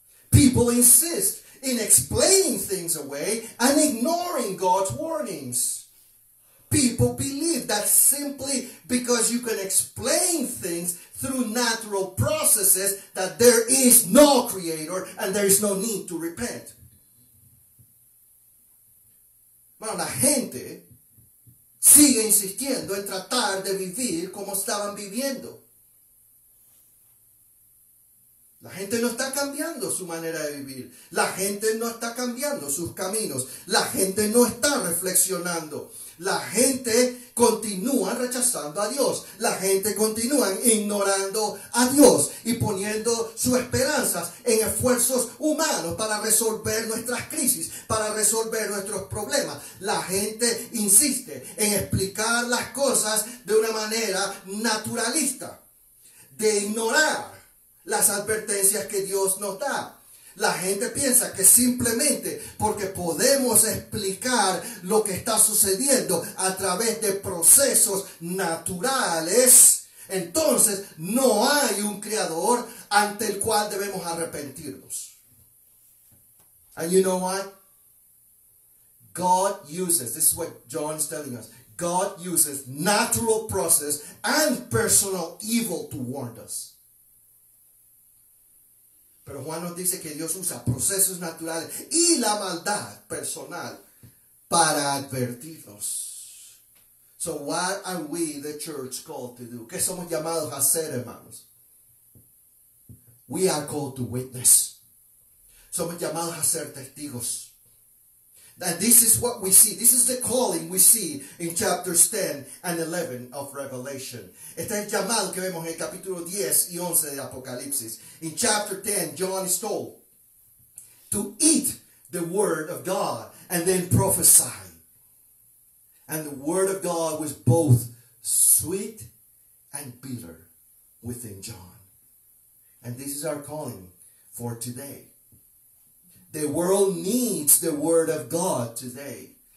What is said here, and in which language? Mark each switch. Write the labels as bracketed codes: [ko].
[en] People insist in explaining things away and ignoring God's warnings. People believe that simply because you can explain things through natural processes that there is no creator and there is no need to repent. [es] Bueno, la gente sigue insistiendo en tratar de vivir como estaban viviendo. La gente no está cambiando su manera de vivir. La gente no está cambiando sus caminos. La gente no está reflexionando. La gente continúa rechazando a Dios. La gente continúa ignorando a Dios y poniendo sus esperanzas en esfuerzos humanos para resolver nuestras crisis, para resolver nuestros problemas. La gente insiste en explicar las cosas de una manera naturalista, de ignorar las advertencias que Dios nos da. La gente piensa que simplemente porque podemos explicar lo que está sucediendo a través de procesos naturales, entonces no hay un creador ante el cual debemos arrepentirnos. [en] And you know what? God uses, this is what John is telling us, God uses natural process and personal evil to warn us. [es] Pero Juan nos dice que Dios usa procesos naturales y la maldad personal para advertirnos. [en] So what are we, the church, called to do? [es] ¿Qué somos llamados a hacer, hermanos? [en] We are called to witness. [es] Somos llamados a ser testigos. [en] And this is what we see. This is the calling we see in chapters 10 and 11 of Revelation. [es] Este es el llamado que vemos en el capítulo 10 y 11 de Apocalipsis. [en] In chapter 10, John is told to eat the word of God and then prophesy. And the word of God was both sweet and bitter within John. And this is our calling for today. The world needs the word of God today.